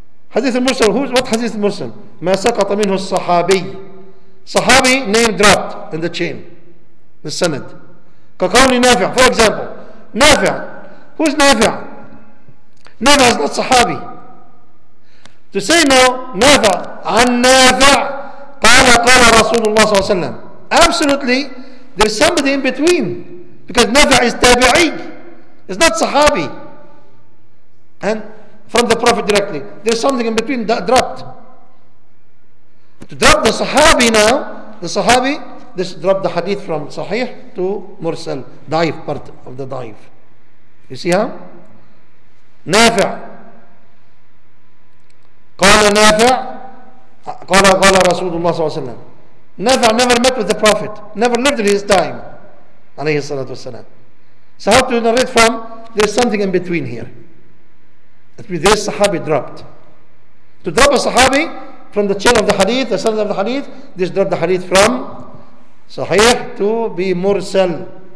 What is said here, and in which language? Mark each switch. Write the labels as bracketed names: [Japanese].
[English] Hadith al-mursal, what hadith al-mursal? [Arabic] مَا سَقَطَ مِنْهُ الصَّحَابِي. [English] Sahabi name dropped in the chain, the sanad. [Arabic] كَقَوْلِ نَافِعَ. [English] For example, نَافِعَ. Who's نَافِعَ? نَافِعَ is not Sahabi. To say no, [Arabic] نَافَع عَنْ نَافَع قَالَ قَالَ رَسُولُ اللَّهِ صَلَّى اللَّهُ عَلَيْهِ وَسَلَّمَ. [English] Absolutely, there's somebody in between. Because نَافَع is تَابِعِي. It's not Sahabi. And from the Prophet directly, there's something in between that dropped. To drop the Sahabi now, the Sahabi, this dropped the hadith from Sahih to Mursal, Daif, part of the Daif. You see how? [Arabic] نَافَع قال نافع قَالَ قَالَ رَسُولُ اللَّهِ صَلَّى اللَّهُ عَلَيْهِ وَسَلَّمَ [English] never met with the Prophet, never lived in his time, [Arabic] عليه الصلاة والسلام. [English] So how to narrate from, there's something in between here. That means this Sahabi dropped. To drop a Sahabi from the chain of the Hadith, the sanad of the Hadith, this dropped the Hadith from Sahih to be Mursal.